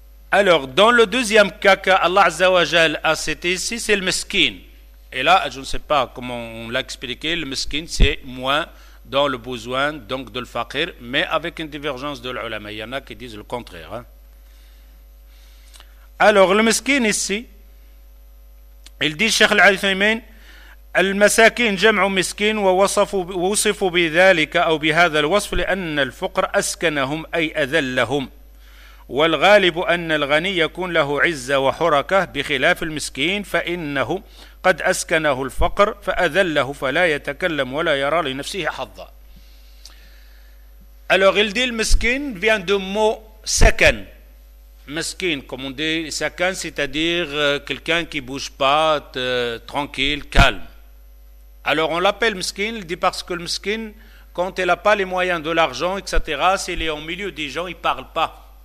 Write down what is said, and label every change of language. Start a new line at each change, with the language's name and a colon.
French: Alors, dans le deuxième cas qu'Allah Azzawajal a cité ici, c'est le meskin. Et là, je ne sais pas comment on l'a expliqué, le meskin, c'est moins dans le besoin, donc de le faqir, mais avec une divergence de l'ulama. Il y en a qui disent le contraire. Hein. Alors, le meskin ici, il dit,
Arabic: Cheikh Al-Uthaymeen, المساكين جمع مسكين ووصفوا بذلك أو بهذا الوصف لأن الفقر أسكنهم أي أذلهم والغالب أن الغني يكون له عزة وحركة بخلاف المسكين فإنه قد أسكنه الفقر فأذله فلا يتكلم ولا يرى لنفسه حظا.
French: Alors il dit le meskin vient du mot sakan. Meskin, comme on dit, sakan, c'est-à-dire quelqu'un qui bouge pas, tranquille, calme. Alors on l'appelle meskin, il dit parce que le meskin, quand il n'a pas les moyens de l'argent, etc., s'il est au milieu des gens, il ne parle pas.